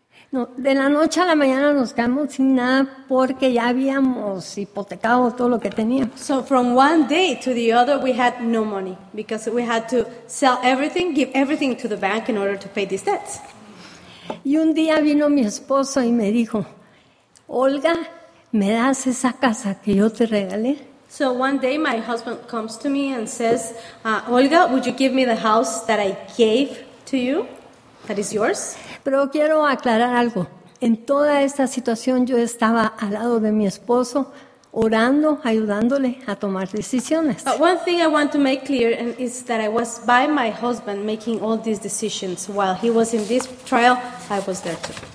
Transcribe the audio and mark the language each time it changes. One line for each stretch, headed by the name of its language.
Spanish: No, de la noche a la mañana nos quedamos sin nada porque ya habíamos hipotecado todo lo que teníamos.
English: So from one day to the other, we had no money because we had to sell everything, give everything to the bank in order to pay these debts.
Spanish: Y un día vino mi esposo y me dijo, Olga, ¿me das esa casa que yo te regalé?
English: So one day my husband comes to me and says, Olga, would you give me the house that I gave to you, that is yours?
Spanish: Pero quiero aclarar algo. En toda esta situación yo estaba al lado de mi esposo, orando, ayudándole a tomar decisiones.
English: But one thing I want to make clear is that I was by my husband making all these decisions. While he was in this trial, I was there too.